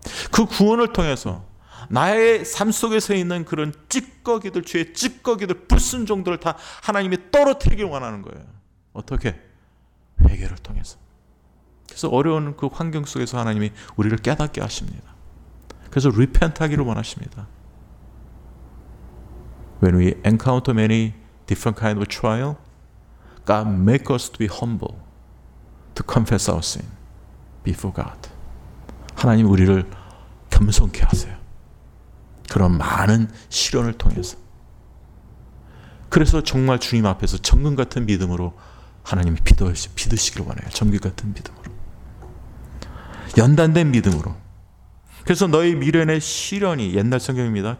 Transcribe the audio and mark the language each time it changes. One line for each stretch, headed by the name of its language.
Korean: 그 구원을 통해서 나의 삶 속에서 있는 그런 찌꺼기들, 죄의 찌꺼기들, 불순종들을 다 하나님이 떨어뜨리길 원하는 거예요. 어떻게? 회개를 통해서. 그래서 어려운 그 환경 속에서 하나님이 우리를 깨닫게 하십니다. 그래서 repent하기를 원하십니다.
English: When we encounter many different kinds of trial, God make us to be humble, to confess our sin before God.
Korean: 하나님 우리를 겸손케 하세요. 그런 많은 시련을 통해서. 그래서 정말 주님 앞에서 정금 같은 믿음으로 하나님 믿으시기를 원해요. 정금 같은 믿음으로. 연단된 믿음으로. 그래서 너희 미련의 시련이, 옛날 성경입니다.